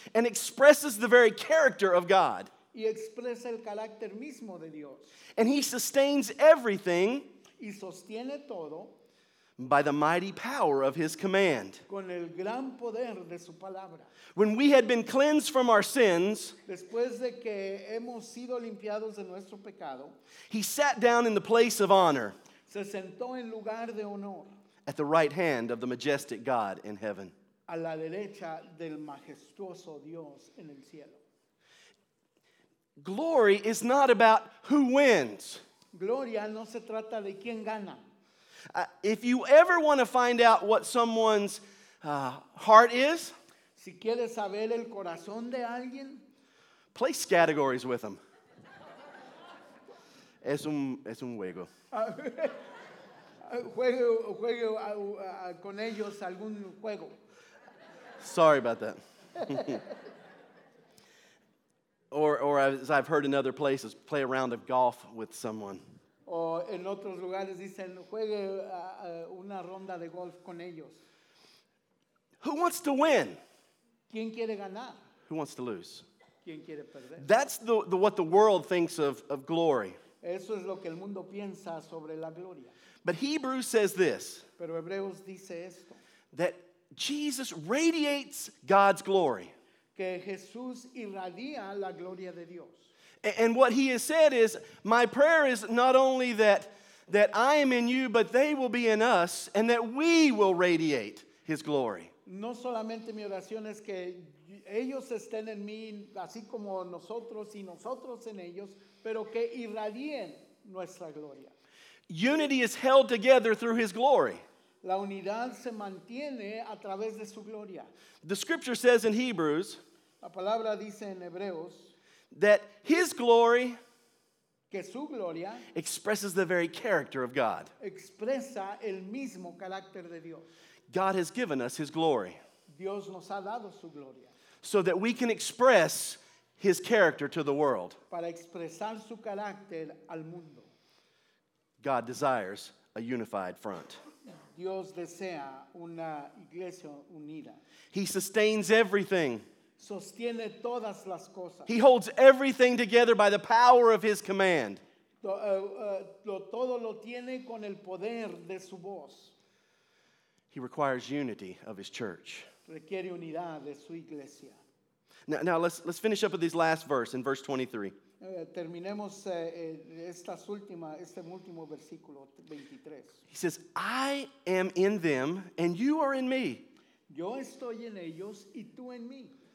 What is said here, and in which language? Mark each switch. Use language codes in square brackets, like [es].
[en] And expresses the very character of God. [es] Y expresa el carácter mismo de Dios. [en] And he sustains everything. [es] Y sostiene todo. [en] by the mighty power of his command. [es] Con el gran poder de su palabra. [en] When we had been cleansed from our sins, [es] después de que hemos sido limpiados de nuestro pecado, [en] he sat down in the place of honor. [es] Se sentó en lugar de honor. [en] At the right hand of the majestic God in heaven. [es] A la derecha del majestuoso Dios en el cielo. [en] Glory is not about who wins. [es] Gloria no se trata de quién gana. [en] If you ever want to find out what someone's heart is, [es] si quieres saber el corazón de alguien, [en] place categories with them. [es] Es un juego. juego con ellos algún juego. [en] Sorry about that. or as I've heard in other places, play a round of golf with someone. [es] O en otros lugares dicen juegue una ronda de golf con ellos. [en] Who wants to win? [es] ¿Quién quiere ganar? [en] Who wants to lose? [es] ¿Quién quiere perder? [en] That's the what the world thinks of glory. [es] Eso es lo que el mundo piensa sobre la gloria. [en] But Hebrews says this. [es] Pero Hebreos dice esto. [en] That Jesus radiates God's glory. [es] Que Jesús irradia la gloria de Dios. [en] And what he has said is, my prayer is not only that I am in you, but they will be in us, and that we will radiate his glory. [es] No solamente mi oración es que ellos estén en mí, así como nosotros y nosotros en ellos, pero que irradien nuestra gloria. [en] Unity is held together through his glory. [es] La unidad se mantiene a través de su gloria. [en] The scripture says in Hebrews, [es] la palabra dice en Hebreos, [en] that his glory [es] que su gloria [en] expresses the very character of God. [es] Expresa el mismo carácter de Dios. [en] God has given us his glory. [es] Dios nos ha dado su gloria. [en] So that we can express his character to the world. [es] Para expresar su carácter al mundo. [en] God desires a unified front. [es] Dios desea una iglesia unida. [en] He sustains everything. [es] Sostiene todas las cosas. [en] He holds everything together by the power of his command. [es] Todo lo tiene con el poder de su voz. [en] He requires unity of his church. [es] Requiere unidad de su iglesia. [en] Now let's finish up with this last verse in verse 23. [es] Terminemos este último versículo 23. [en] He says, I am in them and you are in me. [es] Yo estoy en ellos y tú en mí.